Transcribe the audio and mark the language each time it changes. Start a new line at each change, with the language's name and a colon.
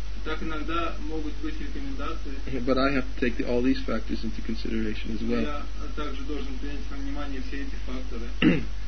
Russian: Так иногда могут быть рекомендации.
English: But I have to take all these factors into consideration as well.
Russian: Я также должен принять во внимание все эти факторы.